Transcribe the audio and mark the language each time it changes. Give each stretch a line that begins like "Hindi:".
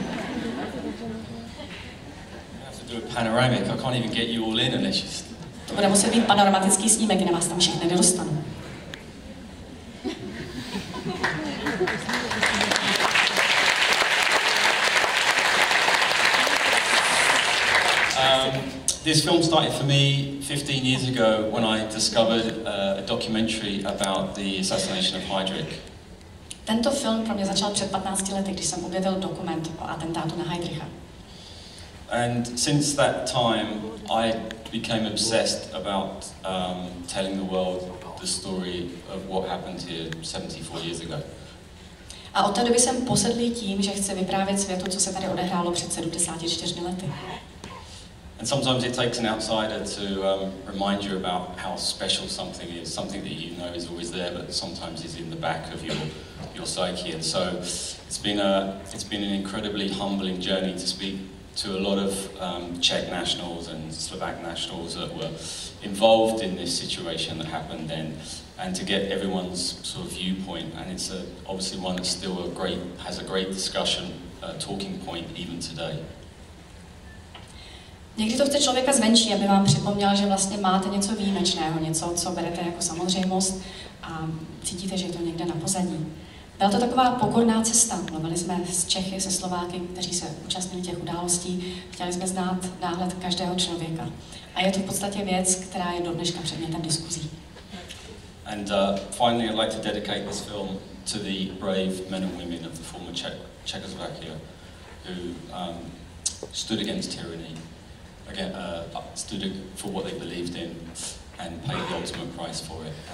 English: I have to do a panoramic. I can't even get you all in unless you...
Czech: To bude muset být panoramatický snímek, kde vás tam všechny nedostanu.
English: This film started for me 15 years ago when I discovered a documentary about the assassination of Heydrich.
Czech: Tento film pro mě začal před 15 lety, když jsem objevil dokument o atentátu na Heydricha.
English: And since that time, I became obsessed about telling the world the story of what happened here 74 years ago.
Czech: A od té doby jsem posedlý tím, že chci vyprávět světu, co se tady odehrálo před 74 lety.
English: And sometimes it takes an outsider to remind you about how special something is, something that you know is always there, but sometimes is in the back of your psyche. And so it's been an incredibly humbling journey to speak to a lot of Czech nationals and Slovak nationals that were involved in this situation that happened then, and to get everyone's sort of viewpoint. And it's obviously one that still has a great discussion talking point even today.
Czech: Někdy to chce člověka zvenčí, aby vám připomněl, že vlastně máte něco výjimečného, něco, co berete jako samozřejmost a cítíte, že je to někde na pozadí. Byla to taková pokorná cesta. Mluvili jsme s Čechy, se Slováky, kteří se účastnili těch událostí. Chtěli jsme znát náhled každého člověka. A je to v podstatě věc, která je do dneška předmětem diskuzí.
English: And finally I'd like to dedicate this film to the brave men and women of the former Czechoslovakia who stood against tyranny. Again, stood for what they believed in and paid the ultimate price for it.